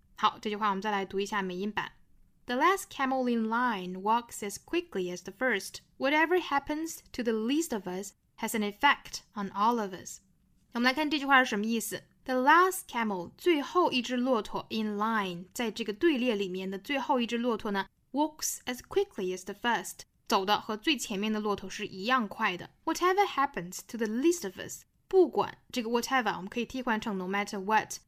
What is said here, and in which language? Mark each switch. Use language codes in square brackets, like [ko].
[zh] 好，这句话我们再来读一下美音版。 [en] The last camel in line walks as quickly as the first. Whatever happens to the least of us has an effect on all of us. [zh] 我们来看这句话是什么意思。 [en] The last camel, [zh] 最后一只骆驼 [en] in line, [zh] 在这个队列里面的最后一只骆驼呢 [en] walks as quickly as the first. [zh] 走的和最前面的骆驼是一样快的。 [en] Whatever happens to the least of us, [zh] 不管这个 whatever, 我们可以替换成 [en] no matter what.